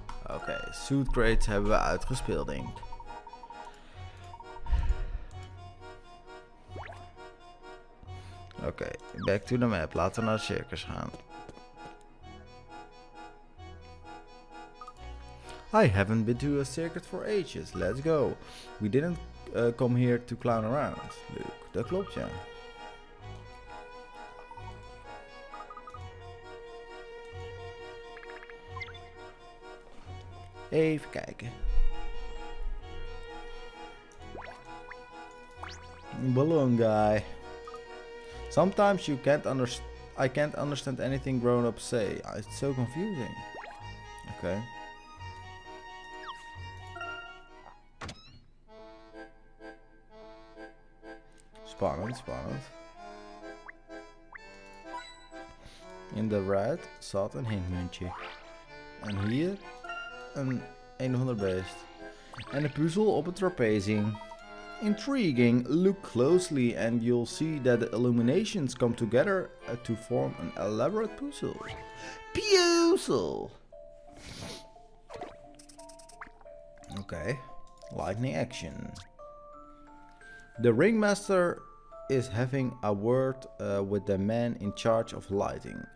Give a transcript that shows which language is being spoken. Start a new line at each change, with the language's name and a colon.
Dutch: Okay, suit crates hebben we uitgespeeld, denk ik.
English: Okay, back to the map.
Dutch: Laten we naar de circus gaan.
English: I haven't been to a circus for ages. Let's go. We didn't come here to clown around, Luke.
Dutch: Dat klopt, ja. Even kijken.
English: Balloon guy. Sometimes you can't I can't understand anything grown-ups say. It's so confusing. Okay.
Dutch: Spannend. In de red zat een hinkmuntje. En hier een 100 beest. En een puzzel op het trapezium.
English: Intriguing. Look closely and you'll see that the illuminations come together to form an elaborate puzzle. Puzzle! Okay. Lightning action. The ringmaster is having a word with the man in charge of lighting.